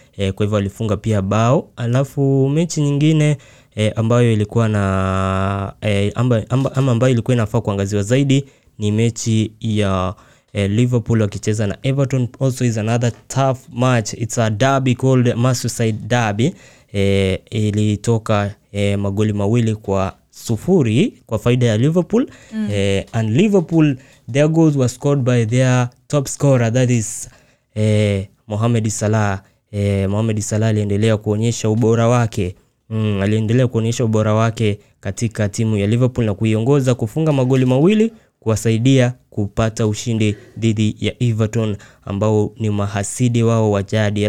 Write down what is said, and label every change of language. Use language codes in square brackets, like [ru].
[sw] Kwa hivyo walifunga pia bao. Alafu mechi nyingine ambayo ilikuwa na ambayo ilikuwa inafaa kuangaziwa zaidi ni mechi ya Liverpool wakicheza na Everton. [en] Also is another tough match. It's a derby called Merseyside derby. [sw] Ilitoka magoli mawili kwa 0 kwa faida ya Liverpool. [en] And Liverpool, their goals were scored by their top scorer, that is Mohamed Salah. [sw] Mohamed Salah aliendelea kuonyesha ubora wake. Aliendelea kuonyesha ubora wake katika timu ya Liverpool na kuiongoza kufunga magoli mawili kuwasaidia kupata ushindi dhidi ya Everton ambao ni mahasidi wao wa jadi.